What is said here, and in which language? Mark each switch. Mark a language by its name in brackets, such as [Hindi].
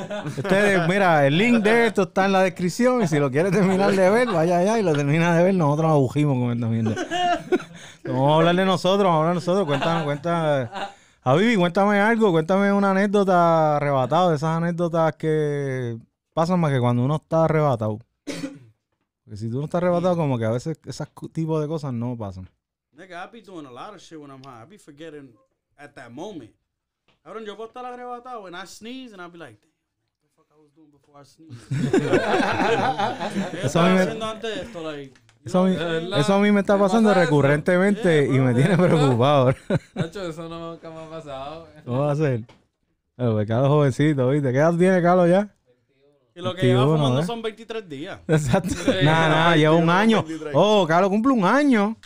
[Spanish] Ustedes, mira, el link de esto está en la descripción. Y si lo quieres terminar de ver, vaya allá y lo terminas de ver. Nosotros agujimos con esta mierda. Vamos a hablar de nosotros. Cuéntanos. Javi, cuéntame algo. Cuéntame una anécdota arrebatada. De esas anécdotas que pasan más que cuando uno está arrebatado. Porque si tú no estás arrebatado, como que a veces esas tipo de cosas no pasan. [English] Nigga, I be doing a lot of shit when I'm high. I be forgetting at that moment. Cabrón, [Spanish] yo puedo estar arrebatado [English] and I sneeze and I be like, what the fuck I was doing before I sneezed. [Spanish] Eso a mí me está pasando recurrentemente y me tiene preocupado. Nacho, eso nunca me ha pasado. ¿Cómo va a ser? Pero me quedo jovencito, ¿viste? ¿Qué edad tiene Carlos ya? Y lo que lleva fumando son 23 días. Exacto. Nada, lleva un año. Oh, Carlos cumple un año.